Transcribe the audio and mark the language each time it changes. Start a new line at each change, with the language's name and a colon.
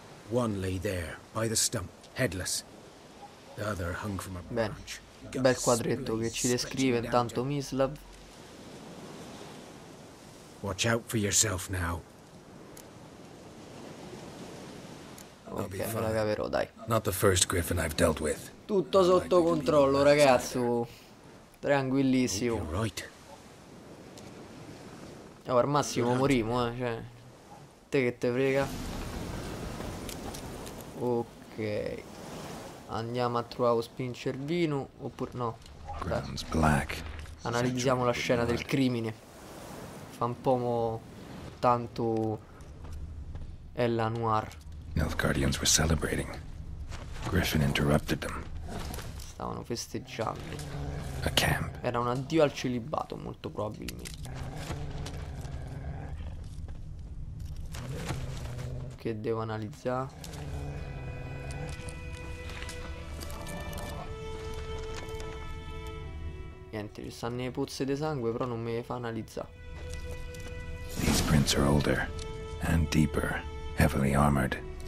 English: One lay there, by the stump, headless. The other hung from a branch.
Italian: Bel quadretto che ci descrive intanto Mislav.
English: Watch out for yourself now.
Italian: Ok, me la caverò, dai.
English: Not the first griffin I've dealt with.
Italian: Tutto sotto controllo, ragazzo. Tranquillissimo.
English: Right.
Italian: Allora, al massimo morimo, cioè. Te che te frega? Ok. Andiamo a trovare lo spincervino, oppure no.
English: Black.
Italian: Analizziamo la scena del crimine. Fa un po' tanto Ella Noir.
English: Nilfgaardians were celebrating. Griffin interrupted them.
Italian: Stavano festeggiando.
English: A camp.
Italian: Era un addio al celibato, molto probabilmente. Che devo analizzare? Niente, ci stanno le pozze di sangue, però non me le fa analizzare.
English: These prints are older and deeper, heavily armored.